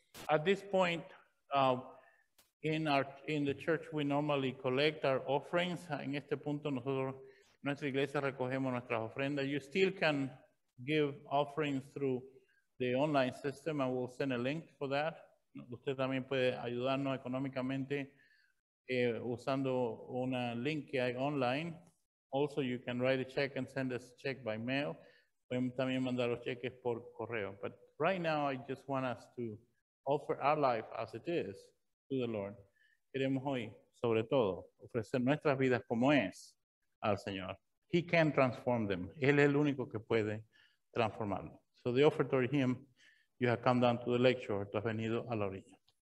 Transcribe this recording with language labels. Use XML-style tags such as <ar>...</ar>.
<en>At this point in the church, we normally collect our offerings.</en> <es>En este punto, nosotros, nuestra iglesia, recogemos nuestras ofrendas.</es> <en>You still can give offerings through the online system, and we'll send a link for that.</en> <es>Usted también puede ayudarnos económicamente usando una link que hay online.</es> <en>Also, you can write a check and send us a check by mail.</en> <es>Podemos también mandar los cheques por correo.</es> <en>But right now, I just want us to offer our life as it is to the Lord.</en> <es>Queremos hoy, sobre todo, ofrecer nuestras vidas como es al Señor.</es> <en>He can transform them.</en> <es>Él es el único que puede transformarlo.</es> <en>So the offertory hymn, you have come down to the lecture,</en> <es>tú has venido a la orilla.</es>